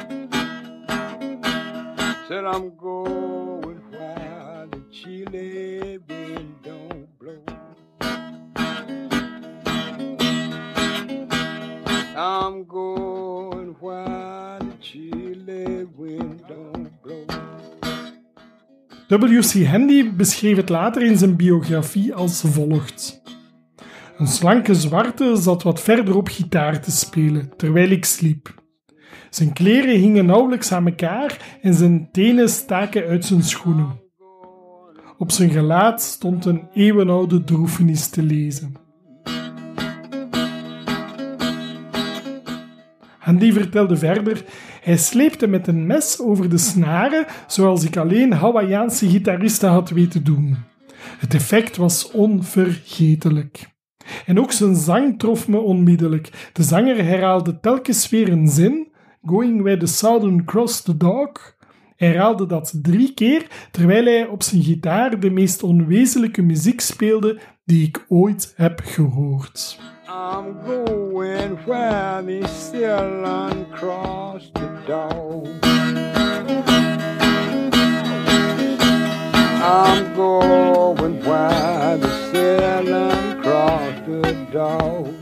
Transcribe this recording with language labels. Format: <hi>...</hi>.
<en>I'm going where the chilly wind don't blow. I'm going where the chilly wind don't blow.</en> <nl>W.C. Handy beschreef het later in zijn biografie als volgt. Een slanke zwarte zat wat verder op gitaar te spelen, terwijl ik sliep. Zijn kleren hingen nauwelijks aan elkaar en zijn tenen staken uit zijn schoenen. Op zijn gelaat stond een eeuwenoude droefenis te lezen. Handy vertelde verder, hij sleepte met een mes over de snaren zoals ik alleen Hawaïaanse gitaristen had weten doen. Het effect was onvergetelijk. En ook zijn zang trof me onmiddellijk. De zanger herhaalde telkens weer een zin,</nl> <en>Going where the Southern Cross the Dog.</en> <nl>Hij herhaalde dat 3 keer, terwijl hij op zijn gitaar de meest onwezenlijke muziek speelde die ik ooit heb gehoord.</nl> <en>I'm going where the Southern Cross the Dog. I'm going where the Southern Cross the Dog.</en>